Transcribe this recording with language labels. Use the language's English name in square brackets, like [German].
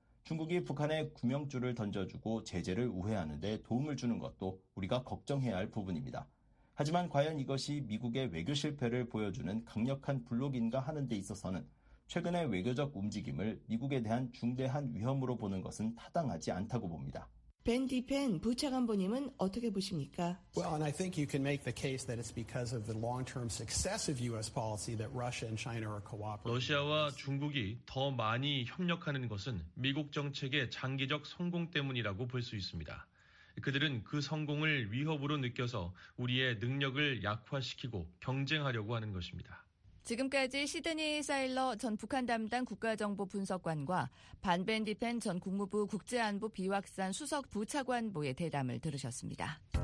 [Korean] 중국이 북한에 구명줄을 던져주고 제재를 우회하는 데 도움을 주는 것도 우리가 걱정해야 할 부분입니다. 하지만 과연 이것이 미국의 외교 실패를 보여주는 강력한 블록인가 하는 데 있어서는 최근의 외교적 움직임을 미국에 대한 중대한 위험으로 보는 것은 타당하지 않다고 봅니다. 벤 디펜 부차관보님은 어떻게 보십니까? [English] Well, and I think you can make the case that it's because of the long-term success of U.S. policy that Russia and China are cooperating. [Korean] 러시아와 중국이 더 많이 협력하는 것은 미국 정책의 장기적 성공 때문이라고 볼 수 있습니다. 그들은 그 성공을 위협으로 느껴서 우리의 능력을 약화시키고 경쟁하려고 하는 것입니다. 지금까지 시드니 사일러 전 북한 담당 국가정보 분석관과 반 벤디펜 전 국무부 국제안보 비확산 수석 부차관보의 대담을 들으셨습니다.